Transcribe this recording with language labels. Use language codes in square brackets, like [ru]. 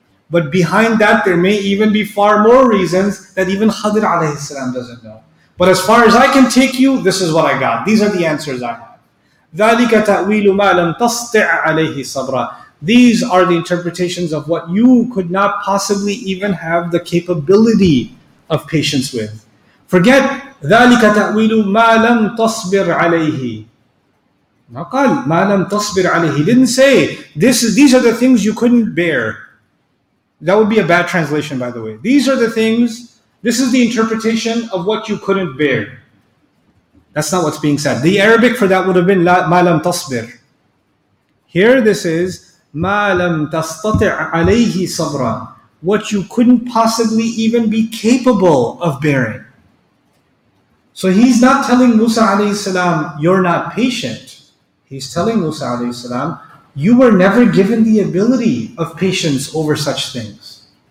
[en] But behind that, there may even be far more reasons that even Khadr alayhi salam doesn't know. But as far as I can take you, this is what I got. These are the answers I have. [ar] ذَلِكَ تَأْوِيلُ مَا لَمْ تَسْطِعْ عَلَيْهِ صَبْرًا. [en] These are the interpretations of what you could not possibly even have the capability of patience with. Forget, [ar] ذَلِكَ تَأْوِيلُ مَا لَمْ تَصْبِرْ عَلَيْهِ. نَقَلْ مَا لَمْ تَصْبِرْ عَلَيْهِ. [en] Didn't say, these are the things you couldn't bear. That would be a bad translation, by the way. These are the things, this is the interpretation of what you couldn't bear. That's not what's being said. The Arabic for that would have been [ar] مَا لَمْ تَصْبِرْ. [en] Here this is, [ar] مَا لَمْ تَسْتَطِعْ عَلَيْهِ صَبْرًا. [en] What you couldn't possibly even be capable of bearing. So he's not telling Musa alayhi salam, you're not patient. He's telling Musa alayhi salam, you were never given the ability of patience over such things.